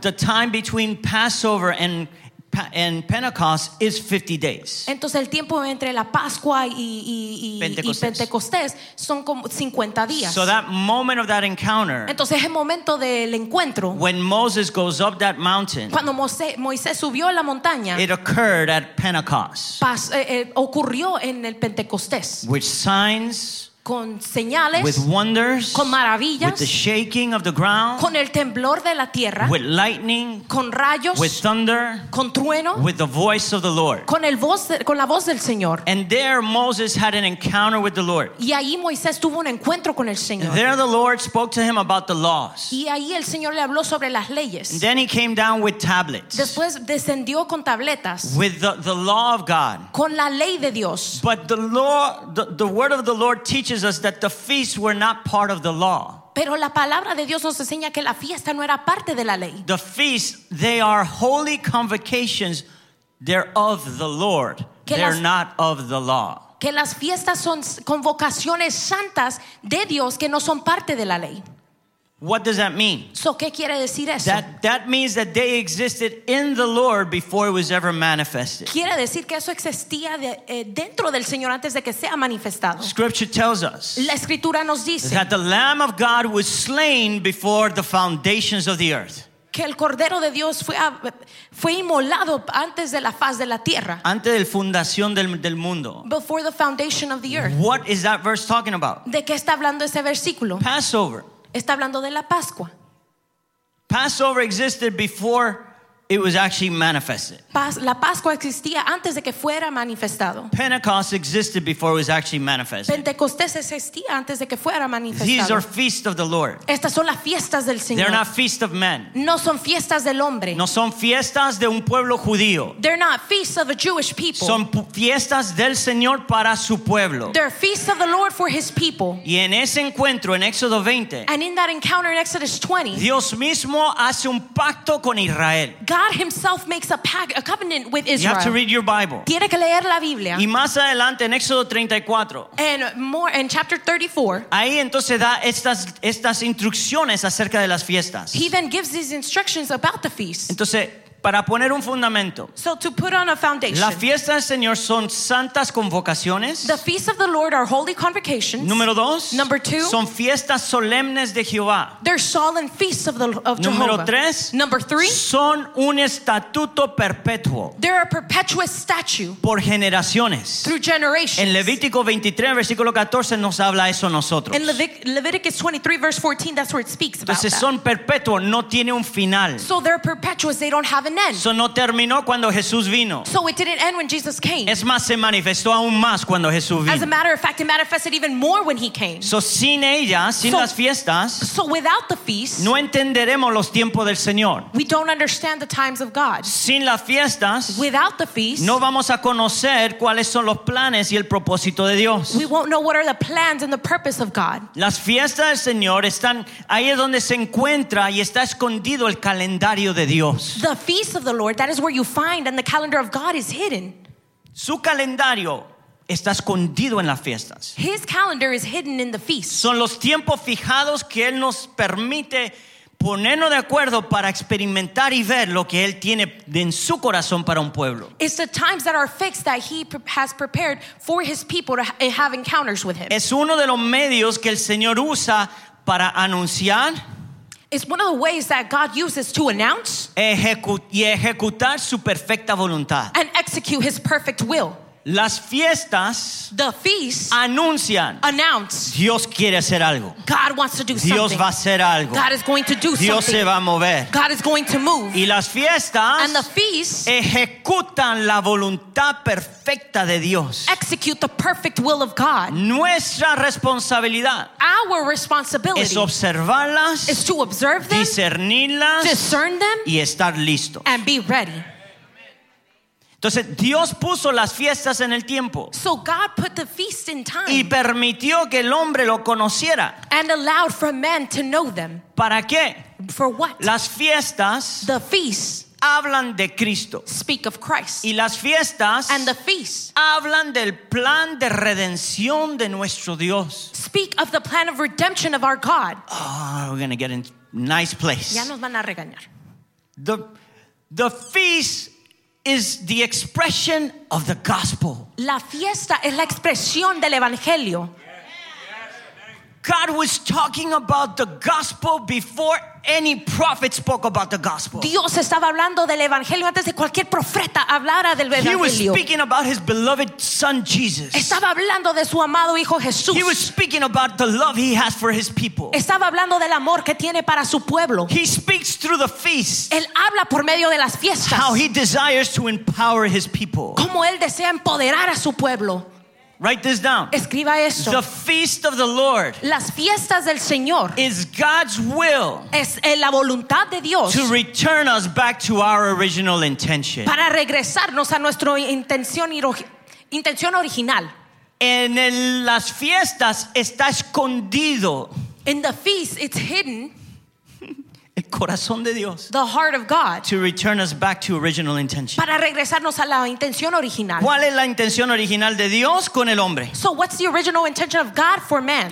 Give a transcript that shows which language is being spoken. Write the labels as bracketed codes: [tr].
[en] the time between Passover and Pentecost is 50 days. [es] Entonces el tiempo entre la Pascua y Pentecostés son como 50 días. [en] So that moment of that encounter, [es] entonces el momento del encuentro, [en] when Moses goes up that mountain, [es] cuando Moisés subió la montaña, [en] it occurred at Pentecost. [es] Ocurrió en el Pentecostés. [en] Which signs [es] con señales, [en] with wonders, [es] con maravillas, [en] with the shaking of the ground, [es] con el temblor de la tierra, [en] with lightning, [es] con rayos, [en] with thunder, [es] con trueno, [en] with the voice of the Lord, [es] con la voz del Señor. [en] And there Moses had an encounter with the Lord. [es] Y ahí Moisés tuvo un encuentro con el Señor. [en] And there the Lord spoke to him about the laws. [es] Y ahí el Señor le habló sobre las leyes. [en] And then he came down with tablets. [es] Después descendió con tabletas. [en] With the law of God. [es] Con la ley de Dios. [en] But the law, the word of the Lord teaches us that the feasts were not part of the law. [es] Pero la palabra de Dios nos enseña que la fiesta no era parte de la ley. [en] The feasts, they are holy convocations. They're of the Lord. They're not of the law. [es] Que las fiestas son convocaciones santas de Dios que no son parte de la ley. [en] What does that mean? [es] So, ¿qué quiere decir eso? [en] That means that they existed in the Lord before it was ever manifested. [es] Quiere decir que eso existía dentro del Señor antes de que sea manifestado. [en] Scripture tells us. [es] La escritura nos dice. [en] That the Lamb of God was slain before the foundations of the earth. [es] Que el Cordero de Dios fue inmolado antes de la faz de la tierra. Antes de la fundación del mundo. [en] Before the foundation of the earth. What is that verse talking about? [es] ¿De qué está hablando ese versículo? [en] Passover. [es] Está hablando de la Pascua. [en] Passover existed before it was actually manifested. [es] La Pascua existía antes de que fuera manifestado. [en] Pentecost existed before it was actually manifested. [es] Pentecostés existía antes de que fuera manifestado. [en] These are feasts of the Lord. [es] Estas son las fiestas del Señor. [en] They're not feasts of men. [es] No son fiestas del hombre. No son fiestas de un pueblo judío. [en] They're not feasts of a Jewish people. [es] Son fiestas del Señor para su pueblo. [en] They're feasts of the Lord for his people. [es] Y en ese encuentro en Éxodo 20. [en] And in that encounter in Exodus 20. [es] Dios mismo hace un pacto con Israel. [en] God himself makes a covenant with Israel. You have to read your Bible. [es] Tiene que leer la Biblia. Y más adelante en Éxodo 34. [en] And more in chapter 34. [es] Ahí entonces da estas instrucciones acerca de las fiestas. [en] He then gives these instructions about the feast. [es] Entonces, para poner un fundamento. [en] So to put on a foundation. [es] Las fiestas del Señor son santas convocaciones. [en] The feasts of the Lord are holy convocations. [es] Número dos. [en] Number two. [es] Son fiestas solemnes de Jehová. [en] They're solemn feasts of Jehovah. [es] Número tres. [en] Number three. [es] Son un estatuto perpetuo. [en] They're a perpetuous statute. [es] Por generaciones. [en] Through generations. [es] En Levítico 23, versículo 14, nos habla eso nosotros. [en] In Leviticus 23, verse 14, that's where it speaks about. [es] Entonces son perpetuos, no tiene un final. [en] So they're perpetuous, they don't have an end. [es] So no terminó cuando Jesús vino. [en] So it didn't end when Jesus came. [es] Es más, se manifestó aún más cuando Jesús vino. [en] As a matter of fact, it manifested even more when he came. [es] So sin ellas, sin las fiestas, [en] so without the feast, [es] no entenderemos los tiempos del Señor. [en] We don't understand the times of God. [es] Sin las fiestas, [en] without the feast, [es] no vamos a conocer cuáles son los planes y el propósito de Dios. [en] We won't know what are the plans and the purpose of God. [es] Las fiestas del Señor están ahí es donde se encuentra y está escondido el calendario de Dios. [en] Feast of the Lord, that is where you find, and the calendar of God is hidden. [es] Su calendario está escondido en las fiestas. [en] His calendar is hidden in the feasts. [es] Son los tiempos fijados que Él nos permite ponernos de acuerdo para experimentar y ver lo que Él tiene en su corazón para un pueblo. [en] It's the times that are fixed that He has prepared for His people to have encounters with Him. [es] Es uno de los medios que el Señor usa para anunciar. [en] It's one of the ways that God uses to announce [es] y ejecutar su perfecta voluntad. [en] And execute His perfect will. [es] Las fiestas, [en] the feasts, [es] anuncian, [en] announce, [es] Dios quiere hacer algo. [en] God wants to do [es] Dios [en] something. [es] Va a hacer algo. [en] God is going to do [es] Dios [en] something. [es] Se va a mover. [en] God is going to move. [es] Y las fiestas, [en] and the feasts, [es] ejecutan la voluntad perfecta de Dios. [en] Execute the perfect will of God. [es] Nuestra responsabilidad, [en] our responsibility, [es] es observarlas, [en] is to observe them, [es] discernirlas, [en] discern them, [es] y estar listos, [en] and be ready. [es] Entonces Dios puso las fiestas en el tiempo. [en] So God put the feast in time. [es] Y permitió que el hombre lo conociera. [en] And allowed for men to know them. [es] ¿Para qué? [en] For what? [es] Las fiestas. [en] The feasts. [es] Hablan de Cristo. [en] Speak of Christ. [es] Y las fiestas. [en] And the feasts. [es] Hablan del plan de redención de nuestro Dios. [en] Speak of the plan of redemption of our God. Oh, we're going to get in a nice place. [es] Ya nos van a regañar. [en] The feast is the expression of the gospel. [es] La fiesta es la expresión del evangelio. [en] God was talking about the gospel before any prophet spoke about the gospel. [es] Dios estaba hablando del evangelio antes de cualquier profeta hablara del evangelio. [en] He was speaking about his beloved son Jesus. [es] Estaba hablando de su amado hijo Jesús. [en] He was speaking about the love he has for his people. [es] Estaba hablando del amor que tiene para su pueblo. [en] He speaks through the feasts. [es] Él habla por medio de las fiestas. [en] How he desires to empower his people. [es] Cómo él desea empoderar a su pueblo. [en] Write this down. [es] Escriba esto. [en] The feast of the Lord. [es] Las fiestas del Señor. [en] Is God's will. [es] Es la voluntad de Dios. [en] To return us back to our original intention. [es] Para regresarnos a nuestra intención original. En las fiestas está escondido. [en] In the feast, it's hidden. [es] El corazón de Dios. [en] The heart of God. To return us back to original intention. [es] Para regresarnos a la intención original. ¿Cuál es la intención original de Dios con el hombre? [en] So what's the original intention of God for man?